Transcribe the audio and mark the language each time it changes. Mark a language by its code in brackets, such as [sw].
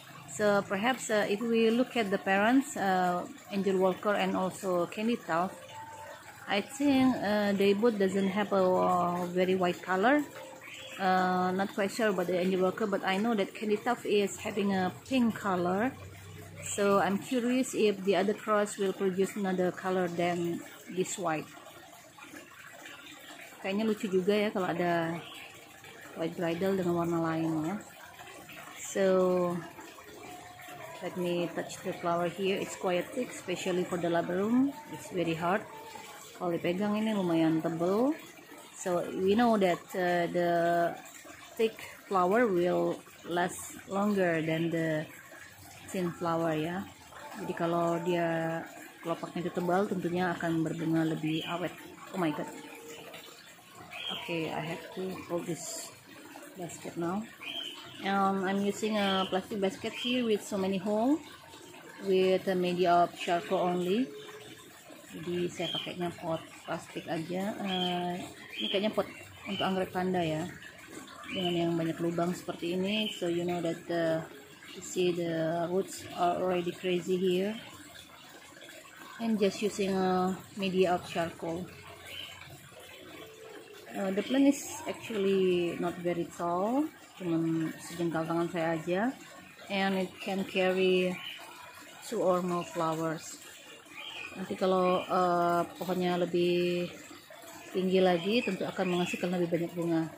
[en] So perhaps if we look at the parents, Angel Walker and also Candy Tuff, I think they both doesn't have a very white color. Not quite sure about the Angel Walker, but I know that Candy Tuff is having a pink color. So I'm curious if the other cross will produce another color than this white. [id] Kayaknya lucu juga ya kalau ada white bridal dengan warna lain ya. [en] So let me touch the flower here. It's quite thick, especially for the lava room. It's very hard. [id] Kalau dipegang ini lumayan tebal. [en] So we know that the thick flower will last longer than the thin flower ya. [id] Jadi kalau dia kelopaknya itu tebal, tentunya akan berbunga lebih awet. [en] Oh my god. Okay, I have to hold this basket now. I'm using a plastic basket here with so many holes with a media of charcoal only. [id] Jadi saya pakainya pot plastik aja. Ini kayaknya pot untuk anggrek panda ya, dengan yang banyak lubang seperti ini. [en] So you know that you see the roots are already crazy here. And just using a media of charcoal. The plant is actually not very tall, [id] cuman sejengkal tangan saya aja, [en] and it can carry two or more flowers. [id] Nanti kalau pohonnya lebih tinggi lagi, tentu akan menghasilkan lebih banyak bunga.